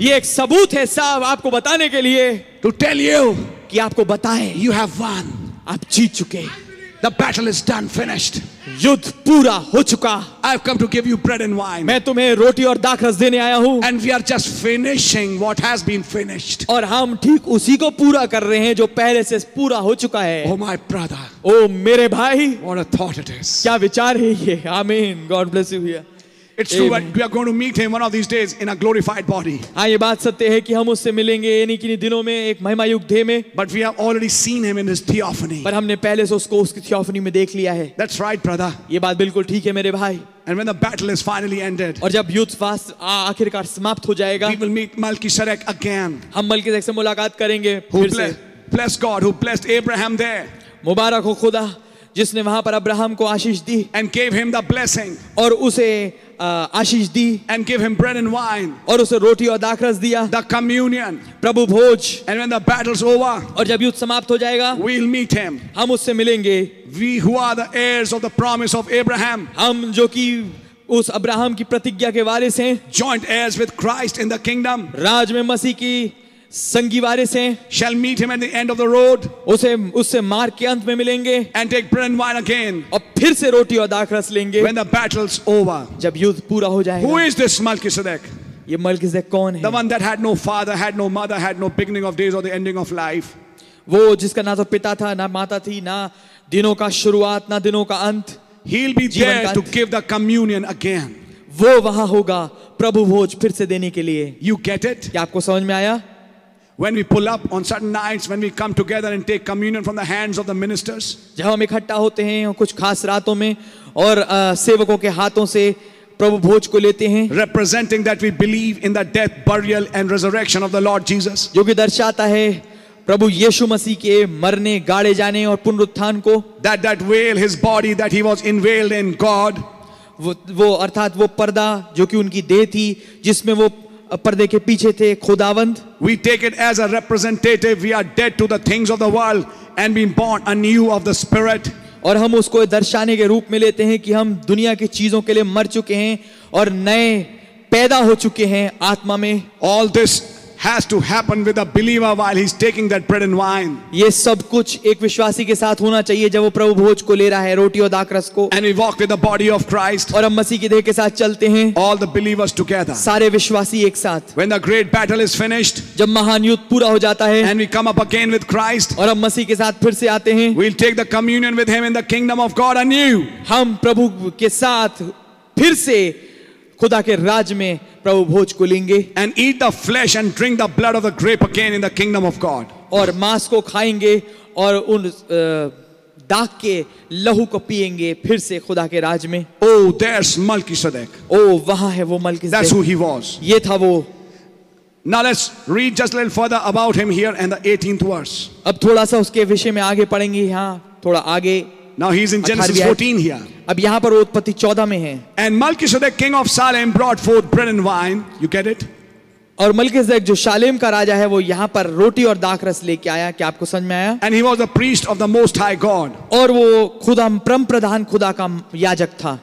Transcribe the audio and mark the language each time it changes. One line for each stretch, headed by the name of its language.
Hindi: ये एक सबूत है साहब आपको बताने के लिए.
English: To tell you,
Hindi: कि आपको बताए.
English: You have won.
Hindi: आप जीत चुके.
English: The battle is done, finished.
Hindi: युद्ध पूरा हो चुका.
English: I have come to give you bread and wine.
Hindi: मैं तुम्हें रोटी और दाखरस देने आया हूँ.
English: And we are just finishing what has been finished.
Hindi: और हम ठीक उसी को पूरा कर रहे हैं जो पहले से पूरा हो चुका है.
English: Oh my brother.
Hindi: Oh मेरे भाई.
English: What a thought it is.
Hindi: क्या विचार है ये.
English: Amen. God bless you here. It's true that we are going to meet him one of these days in a glorified body.
Hindi: हाँ ये बात सत्य है कि हम उससे मिलेंगे यानी कि दिनों में एक महिमा युग दे में.
English: But we have already seen him in his theophany.
Hindi: पर हमने पहले से उसको उसकी theophany में देख लिया है.
English: That's right, brother.
Hindi: ये बात बिल्कुल ठीक है मेरे भाई.
English: And when the battle is finally ended,
Hindi: और जब युद्ध फास्ट आखिरकार समाप्त हो जाएगा,
English: we will meet Melchizedek again.
Hindi: हम मलकीसेदेक से मुलाकात करेंगे.
English: Bless God who blessed Abraham there.
Hindi: मुबारक हो खुदा जिसने वहाँ पर अब्राहम को आशीष दी.
English: And gave him the blessing.
Hindi: और उसे आशीष दी.
English: And give him bread and wine.
Hindi: और उसे रोटी और दाखरस दिया.
English: The communion.
Hindi: Prabhu Bhoj.
English: And when the battle's over.
Hindi: और जब युद्ध समाप्त हो जाएगा.
English: We'll meet him.
Hindi: हम उससे मिलेंगे.
English: We who are the heirs of the promise of Abraham.
Hindi: हम जो कि उस अब्राहम की प्रतिज्ञा के वारिस हैं.
English: Joint heirs with Christ in the kingdom.
Hindi: राज में मसीह की संगी वारिस हैं.
English: Shall meet him at the end of the road.
Hindi: उसे मार्ग के अंत में मिलेंगे.
English: And take bread and wine again.
Hindi: और फिर से रोटी और दाखरस लेंगे.
English: When the battle's over.
Hindi: जब युद्ध पूरा हो जाएगा.
English: Who is this Melchizedek?
Hindi: ये मलकीसेदेक कौन है?
English: The one that had no father, had no mother, had no beginning of days or the ending of life.
Hindi: वो जिसका ना तो पिता था, ना माता थी, ना दिनों का शुरुआत, ना दिनों का अंत.
English: He'll be there to give the communion again.
Hindi: वो वहां होगा प्रभु भोज फिर से देने के लिए.
English: You get it?
Hindi: क्या आपको समझ में आया?
English: When we pull up on certain nights, when we come together and take communion from the hands of the ministers,
Hindi: जब हम इकट्ठा होते हैं और कुछ खास रातों में और सेवकों के हाथों से प्रभु भोज को लेते हैं,
English: representing that we believe in the death, burial, and resurrection of the Lord Jesus,
Hindi: जो कि दर्शाता है प्रभु यीशु मसीह के मरने, गाड़े जाने और पुनरुत्थान को,
English: that veil, his body, that he was unveiled in God,
Hindi: वो अर्थात वो पर्दा जो कि उनकी देह थी, जिसमें वो पर्दे के पीछे थे खुदावंद.
English: We take it as a representative. We are dead to the things of the world and been born anew of the spirit.
Hindi: और हम उसको दर्शाने के रूप में लेते हैं कि हम दुनिया की चीजों के लिए मर चुके हैं और नए पैदा हो चुके हैं आत्मा में.
English: All this has to happen with a believer while he's taking that bread and wine.
Hindi: ये सब कुछ एक विश्वासी के साथ होना चाहिए जब वो प्रभु भोज को ले रहा है रोटी और दाखरस को.
English: And we walk with the body of Christ.
Hindi: और हम मसीह के देह के साथ चलते हैं.
English: All the believers together.
Hindi: सारे विश्वासी एक साथ.
English: When the great battle is finished.
Hindi: जब महान युद्ध पूरा हो जाता है.
English: And we come up again with Christ.
Hindi: और हम मसीह के साथ फिर से आते हैं.
English: We'll take the communion with him in the kingdom of God anew.
Hindi: हम प्रभु के साथ फिर से खुदा के राज में प्रभु भोज को लेंगे.
English: And eat the flesh and drink the blood of the grape again in the kingdom of God.
Hindi: और मांस को खाएंगे और उन दाख के लहू को पिएंगे फिर से खुदा के राज में.
English: Oh, there's Melchizedek.
Hindi: Oh, वहां है वो Melchizedek.
English: That's who he was.
Hindi: ये था वो.
English: Now let's read just a little further about him here in the 18th verse.
Hindi: अब थोड़ा सा उसके विषय में आगे पढ़ेंगे यहाँ थोड़ा आगे.
English: Now he's in Genesis 14 here.
Hindi: अब यहाँ पर उत्पत्ति 14 में है.
English: And Melchizedek, king of Salem, brought forth bread and wine. You get it?
Hindi: और Melchizedek जो शालेम का राजा है वो यहाँ पर रोटी और दाखरस लेके आया. क्या आपको समझ में आया?
English: And he was a priest of the Most High God.
Hindi: और वो खुदा परम प्रधान खुदा का याजक था.